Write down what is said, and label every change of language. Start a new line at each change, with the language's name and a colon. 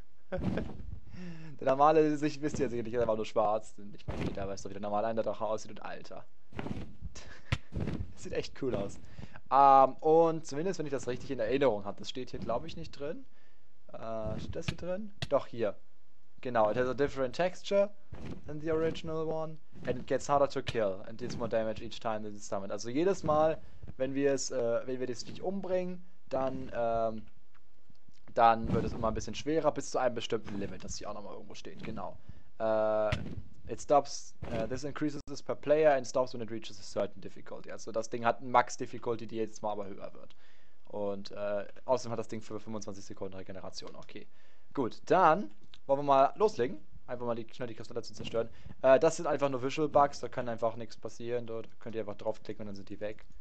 German: Der normale Sicht wisst ihr sicherlich, der war nur schwarz. Ich meine, da weiß doch, wie der normale Enderdrache aussieht und Alter. Sieht echt cool aus. Und zumindest, wenn ich das richtig in Erinnerung habe, das steht hier, glaube ich, nicht drin. Steht das hier drin? Doch, hier.
English: Genau, it has a different texture than the original one. And it gets harder to kill and deals more damage each time that it's summoned.
German: Also jedes Mal, wenn wir es, wenn wir das Viech umbringen, dann, dann wird es immer ein bisschen schwerer, bis zu einem bestimmten Limit, das hier auch nochmal irgendwo steht, genau.
English: It stops, this increases this per player and stops when it reaches a certain difficulty.
German: Also das Ding hat eine Max-Difficulty, die jetzt mal aber höher wird. Und außerdem hat das Ding für 25 Sekunden Regeneration, okay. Gut, dann wollen wir mal loslegen. Einfach mal schnell die Kristalle zu zerstören. Das sind einfach nur Visual Bugs, da kann einfach nichts passieren. Dort könnt ihr einfach draufklicken und dann sind die weg.